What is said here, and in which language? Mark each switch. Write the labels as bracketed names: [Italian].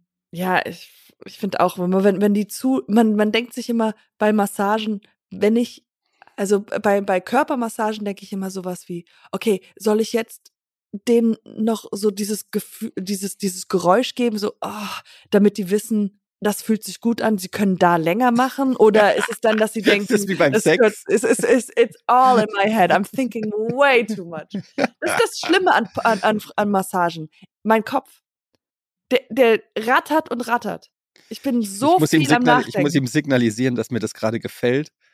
[German] Ja, ich finde auch, wenn die zu, man denkt sich immer bei Massagen, wenn ich, also bei Körpermassagen denke ich immer sowas wie, okay, soll ich jetzt denen noch so dieses Gefühl, dieses Geräusch geben, so, oh, damit die wissen, das fühlt sich gut an, sie können da länger machen, oder ist es dann, dass sie denken, das ist wie beim Sex. [English] It's all in my head, I'm thinking way too much. [German] Das ist das Schlimme an Massagen. Mein Kopf, der rattert und rattert. Ich bin so ich viel am Nachdenken. Ich muss ihm signalisieren, dass mir das gerade gefällt.